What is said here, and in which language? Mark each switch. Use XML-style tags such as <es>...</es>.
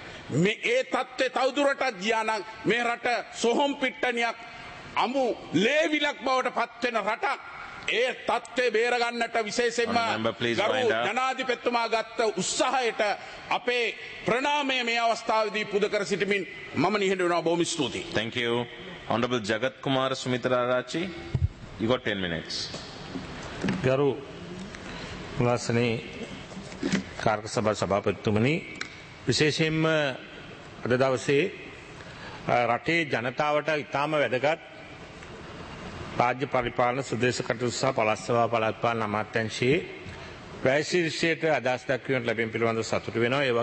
<si>මේ ඒ තත්ත්වය තවදුරටත් ගියානම් මේ රට සොහොන් පිට්ටනියක් අමු ලේවිලක් බවට පත්වෙන රටක්. ඒ තත්ත්වය බේරගන්නට විශේෂයෙන්ම ගරු ජනාධිපතිතුමා ගත්ත උත්සාහයට අපේ ප්‍රණාමය මේ අවස්ථාවේදී පුද කර සිටමින් මම නිහඬ වෙනවා. බොහොම ස්තුතියි.</si> <en>Thank you. Honorable Jagat Kumar Sumitra Arachi, you got 10 minutes.</en> <si>ගරු වාසනේ කාර්ක සභා සභාපතිතුමනි, විශේෂයෙන්ම අද දවසේ රටේ ජනතාවට ඉතාම වැදගත් රාජ්‍ය පරිපාලන සුදේශ කටයුතු සහ පළාත් සභා පළාත්පාලන අමාත්‍යංශයේ වැසිරිසියට අදහස් දක්වීමට ලැබීම පිළිබඳ සතුට වෙනවා.</si>